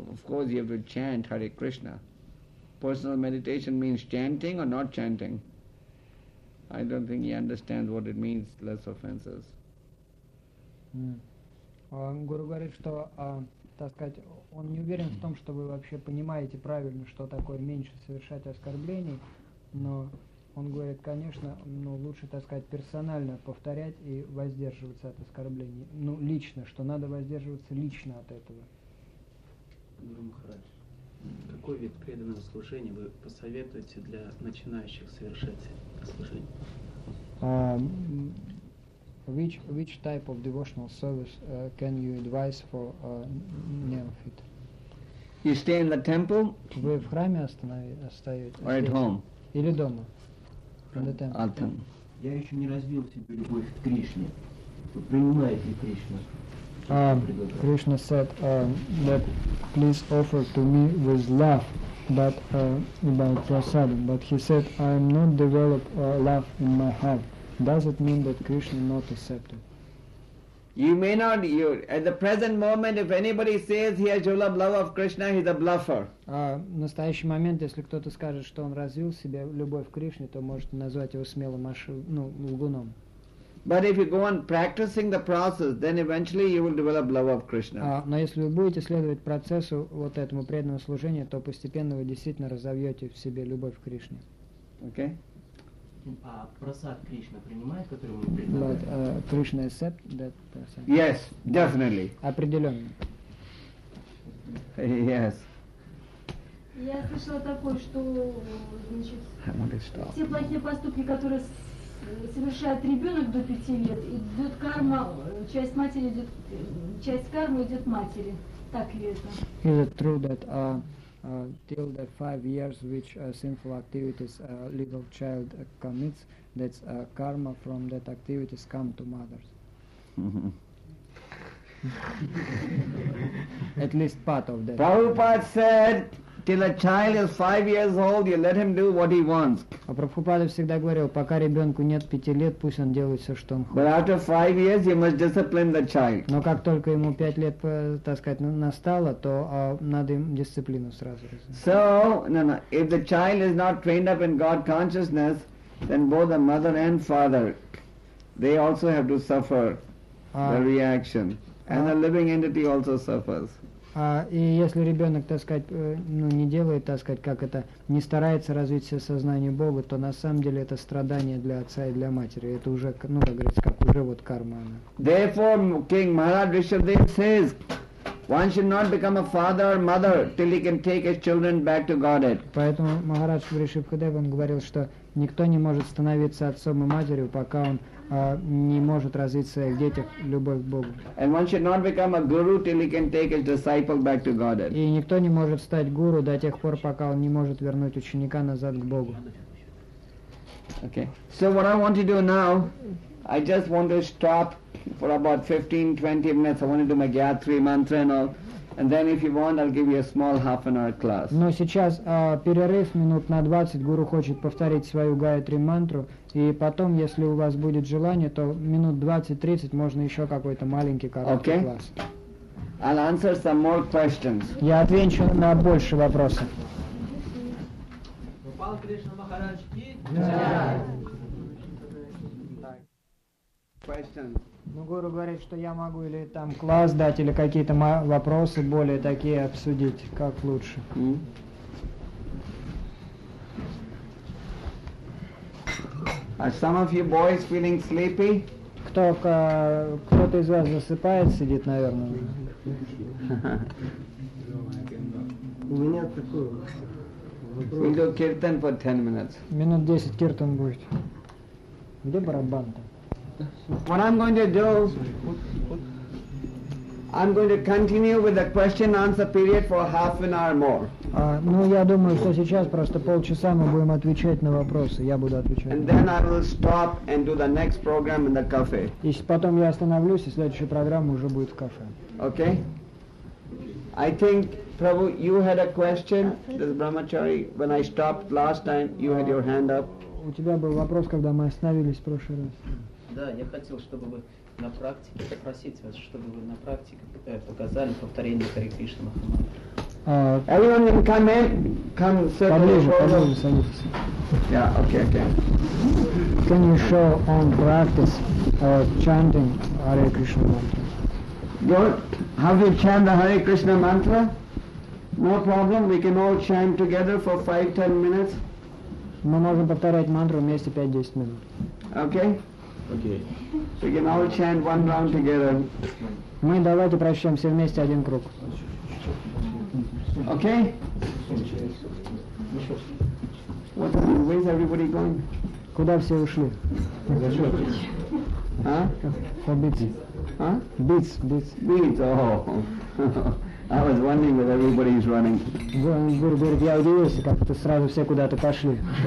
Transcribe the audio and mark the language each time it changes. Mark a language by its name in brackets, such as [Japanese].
[English] Of course, you have to chant Hare Krishna. Personal meditation means chanting or not chanting. I don't think he understands what it means, less offenses. [Russian] Guru говорит, что так сказать, он не уверен в том, что вы вообще понимаете правильно, что такое меньше совершать оскорблений, но он говорит, конечно, ну, лучше, так сказать, персонально повторять и воздерживаться от оскорблений. Ну, лично, что надо воздерживаться лично от этого. Гуру Махарадж, какой вид преданного служения вы посоветуете для начинающих совершать служение? [English] Which type of devotional service can you advise for a neophyte? You stay in the temple? [Russian] Вы в храме остаетесь? [English] Or at home? [Russian] Или дома? [English] In the temple. At home. [Russian] Я еще не развил в себе любовь к Кришне. Принимает ли Кришна? [English] Krishna said that please offer to me with love, but about prasadam. But he said I am not developed love in my heart. Does it mean that Krishna not accepted? You may not. You at the present moment, if anybody says he has developed love of Krishna, he's a bluffer. [Russian] В настоящий момент, если кто-то скажет, что он развил в себе любовь к Кришне, то может назвать его смелым лгуном. [English] But if you go on practicing the process, then eventually you will develop love of Krishna. [Russian] Но если вы будете следовать процессу вот этому преданному служению, то постепенно вы действительно разовьете в себе любовь к Кришне. [English] Okay. [Russian] А просад Кришна принимает, который мы предлагаем? [English] Кришна accept that person? Yes, definitely. [Russian] Определенно. [English] Yes. [Russian] Я слышала такое, что, значит, все плохие поступки, которые совершает ребенок до 5 лет, идет карма, часть матери идет, часть кармы идет матери. Так ли это? [English] Is it true that till the 5 years which sinful activities a little child commits, that's karma from that activities come to mothers. Mm-hmm. At least part of that. Prabhupada said, till a child is 5 years old, you let him do what he wants. [Russian] А Прабхупада всегда говорил, пока ребенку нет 5 лет, пусть он делает все, что он хочет. [English] But after 5 years, you must discipline the child. [Russian] Но как только ему 5 лет, так сказать, настало, то надо им дисциплину сразу. [English] So, no. If the child is not trained up in God consciousness, then both the mother and father, they also have to suffer the reaction, and the living entity also suffers. [Russian] И если ребенок, так сказать, не делает, так сказать, как это, не старается развить все сознание Бога, то на самом деле это страдание для отца и для матери. Это уже, ну, как говорится, как уже вот карма. Она. [English] Therefore, King Maharaj Vishvadev says, one should not become a father or mother till he can take his children back to Godhead. [Russian] Поэтому Махарадж Вришабхадев говорил, что никто не может становиться отцом и матерью, пока он не может развить в своих детях любовь к Богу. [English] And one should not become a guru till he can take his disciple back to Godhead. [Russian] И никто не может стать гуру до тех пор, пока он не может вернуть ученика назад к Богу. [English] Okay. So what I want to do now, I just want to stop for about 15-20 minutes. I want to do my Gayatri mantra and all. And then if you want, I'll give you a small half an hour class. [Russian] Но сейчас перерыв минут на 20. Гуру хочет повторить свою Гаятри мантру. И потом, если у вас будет желание, то минут 20-30 можно еще какой-то маленький короткий [English] okay. [Russian] класс. [English] I'll answer some more questions. [Russian] Я отвечу на больше вопросов. Упал Кришна Махарадж ки. [English] questions. [Russian] Ну, гуру говорит, что я могу или там класс дать, или какие-то вопросы более такие обсудить, как лучше. [English] Are some of you boys feeling sleepy? [Russian] Кто-то из вас засыпает, сидит, наверное, уже. У меня такой вопрос. [English] We'll do kirtan for 10 minutes. [Russian] Минут 10 киртан будет. Где барабан-то? [English] What I'm going to do, I'm going to continue with the question-answer period for half an hour more. [Russian] Ну, я думаю, что сейчас просто полчаса мы будем отвечать на вопросы. Я буду отвечать. [English] And then I will stop and do the next program in the cafe. [Russian] И потом я остановлюсь, и следующая программа уже будет в кафе. [English] Okay. I think, Prabhu, you had a question. This Brahmachari, when I stopped last time, you had your hand up. [Russian] У тебя был вопрос, когда мы остановились в прошлый раз. Да, я хотел, чтобы вы на практике попросить вас, чтобы вы на практике показали повторение Хари Кришна Махамантры. [English] Everyone can come in. Come, sir. [Russian] Пожалуйста, садитесь. [English] Yeah, okay, okay. Can you show on practice chanting Hare Krishna Mantra? Good. Have you chant the Hare Krishna Mantra? No problem. We can all chant together for 5-10 minutes. [Russian] Мы можем повторять мантру вместе 5-10 минут. [English] Okay. Okay. We can all chant one round together. [Russian] Мы давайте прочтем все вместе один круг. [English] Okay? What are you, where is everybody going? [Russian] Куда все ушли? А? [English] For beats. [Russian] А? [English] Beats, beats. Beats, oh. I was wondering that everybody is running. [Russian] Гуру говорит, я удивился, как это сразу все куда-то пошли.